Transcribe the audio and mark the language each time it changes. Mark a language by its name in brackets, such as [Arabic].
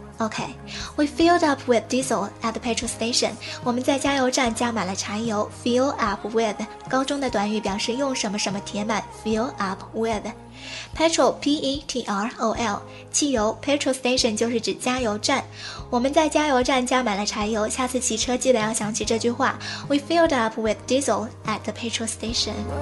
[English] OK, we filled up with diesel at the petrol station. [Chinese] 我们在加油站加满了柴油。 [English] Fill up with, [Chinese] 高中的短语表示用什么什么填满。 [English] Fill up with, [Chinese] petrol, P-E-T-R-O-L, 汽油。 [English] Petrol station [Chinese] 就是指加油站。我们在加油站加满了柴油。下次骑车记得要想起这句话。 [English] We filled up with diesel at the petrol station.